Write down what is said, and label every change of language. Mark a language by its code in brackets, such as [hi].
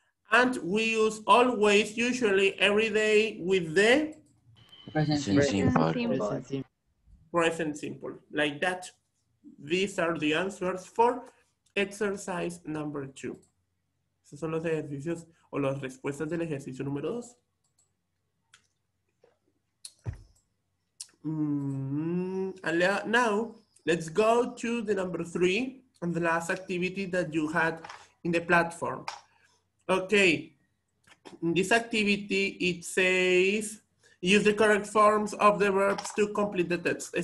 [en] And we use always, usually, every day with the present simple. Like that. These are the answers for exercise number two. [es] Esos son los ejercicios o las respuestas del ejercicio número dos. [en] And now, let's go to the number three and the last activity that you had in the platform. Okay, in this activity, it says, use the correct forms of the verbs to complete the text.